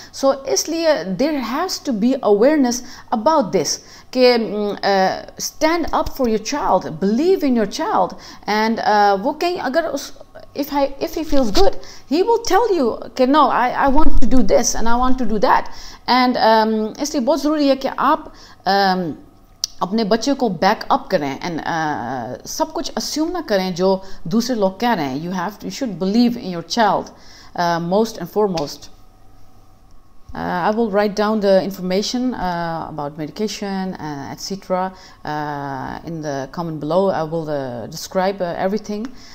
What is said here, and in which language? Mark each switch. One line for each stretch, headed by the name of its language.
English: so
Urdu: اس لیے
English: There has to be awareness about this کہ stand up for your child, believe in your child. And
Urdu: وہ کہیں اگر اس
English: if he feels good he will tell you okay no I want to do this and I want to do that.
Urdu: And اس لیے بہت ضروری ہے کہ آپ اپنے بچے کو بیک اپ کریں اینڈ سب کچھ اسیوم نہ کریں جو دوسرے لوگ کہہ رہے ہیں.
English: You have to you should believe in your child most and foremost. I will write down the information about medication, etc. In the comment below. I will describe everything.